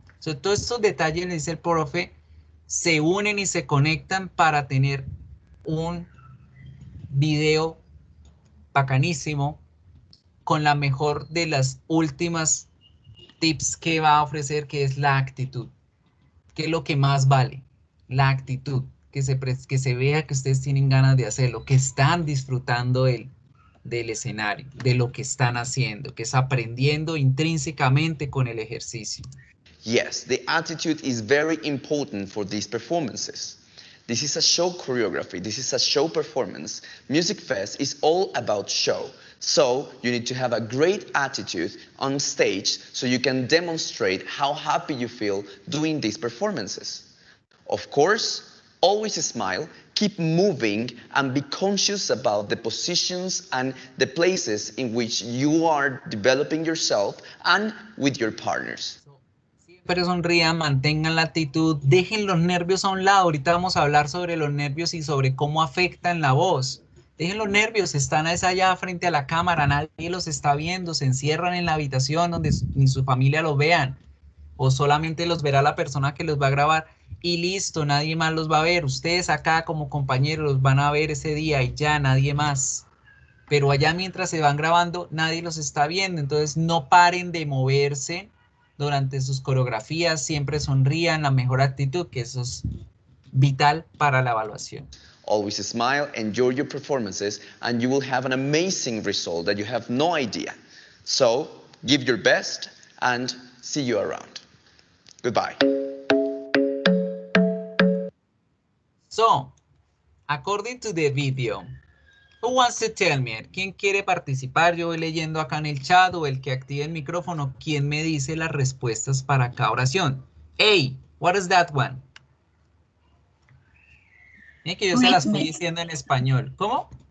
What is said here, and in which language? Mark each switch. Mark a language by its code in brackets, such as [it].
[es] Entonces, todos estos detalles, dice el profe, se unen y se conectan para tener un video bacanísimo con la mejor de las últimas tips que va a ofrecer, que es la actitud. ¿Qué es lo que más vale? La actitud. Que se vea que ustedes tienen ganas de hacerlo, que están disfrutando del escenario, de lo que están haciendo, que es aprendiendo intrínsecamente con el ejercicio. [en] Yes, the attitude is very important for these performances. This is a show choreography, this is a show performance. Music Fest is all about show. So you need to have a great attitude on stage so you can demonstrate how happy you feel doing these performances. Of course, always smile, keep moving, and be conscious about the positions and the places in which you are developing yourself and with your partners. [es] Siempre sonrían, mantengan la actitud, dejen los nervios a un lado. Ahorita vamos a hablar sobre los nervios y sobre cómo afectan la voz. Dejen los nervios, están allá frente a la cámara, nadie los está viendo, se encierran en la habitación donde ni su familia los vean, o solamente los verá la persona que los va a grabar. Y listo, nadie más los va a ver. Ustedes acá como compañeros los van a ver ese día y ya, nadie más. Pero allá mientras se van grabando, nadie los está viendo. Entonces no paren de moverse durante sus coreografías. Siempre sonrían, la mejor actitud, que eso es vital para la evaluación. [en] Always smile, enjoy your performances, and you will have an amazing result that you have no idea. So give your best and see you around. Goodbye. So, according to the video, who wants to tell me? [es] ¿Quién quiere participar? Yo voy leyendo acá en el chat, o el que active el micrófono. ¿Quién me dice las respuestas para cada oración? [en] Hey, what is that one? [es] Miren que yo se las fui diciendo en español. ¿Cómo?